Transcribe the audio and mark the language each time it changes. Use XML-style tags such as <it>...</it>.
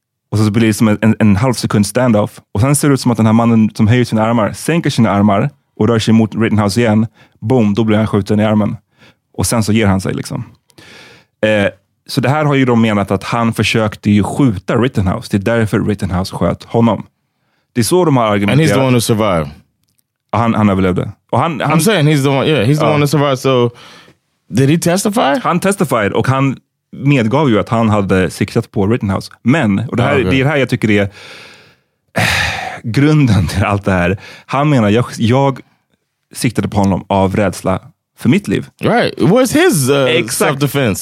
<sv>Och så blir det som en halv sekund standoff. Och sen ser det ut som att den här mannen som höjer sina armar sänker sina armar och rör sig mot Rittenhouse igen. Boom, då blir han skjuten i armen. Och sen så ger han sig liksom. Så det här har ju de menat att han försökte ju skjuta Rittenhouse. Det är därför Rittenhouse sköt honom. Det är så de har argumenterat.</sv> <en>And he's the one who survived.</en> <sv>Och han överlevde. Och han,</sv> <en>I'm saying he's the one, yeah, he's the one who survived. So, did he testify?</en> <sv>Han testified och han medgav ju att han hade siktat på Rittenhouse. Men, och det här, det är det här jag tycker är grunden till allt det här. Han menar, jag siktade på honom av rädsla för mitt liv.</sv> <en>Right. It was his self-defense.</en>